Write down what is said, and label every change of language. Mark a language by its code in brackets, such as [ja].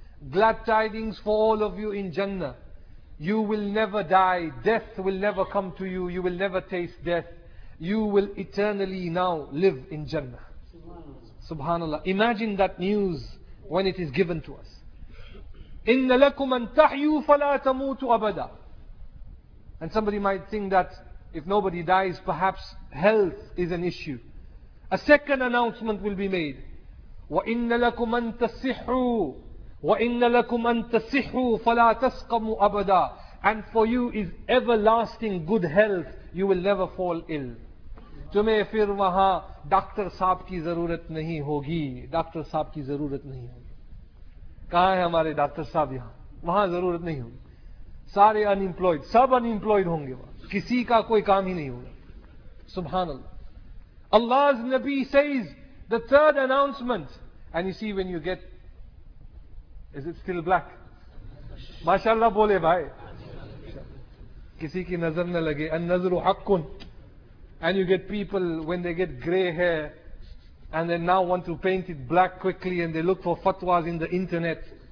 [en] glad tidings for all of you in Jannah. You will never die. Death will never come to you. You will never taste death. You will eternally now live in Jannah. SubhanAllah. Imagine that news when it is given to us. [ar] إِنَّ لَكُمْ أَن تَحْيُوا فَلَا تَمُوتُ أَبَدًا. [en] And somebody might think that if nobody dies, perhaps health is an issue. A second announcement will be made. [ar] وَإِنَّ لَكُمْ أَن تَسِحُوا وَإِنَّ لَكُمْ أَن تَسِحُوا فَلَا تَسْقَمُوا أَبَدًا. [en] And for you is everlasting good health. You will never fall ill. [ur] تمہیں پھر وہاں ڈاکٹر صاحب کی ضرورت نہیں ہوگی. ڈاکٹر صاحب کی ضرورت نہیں ہوگی. کہاں ہے ہمارے ڈاکٹر صاحب؟ یہاں. وہاں ضرورت نہیں ہوگی. سارے انیمپلائڈ, سب انیمپلائڈ ہوں گے وہاں. کسی کا کوئی کام ہی نہیں ہوگا. سبحان اللہ. [en] Allah's Nabi says the third announcement. And you see when you get, is it still black? [ur] MashaAllah bole bhai. Kisi ki nazar na lage. [ar] An-nazru haqqun. [en] And you get people when they get grey hair and they now want to paint it black quickly and they look for fatwas in the internet.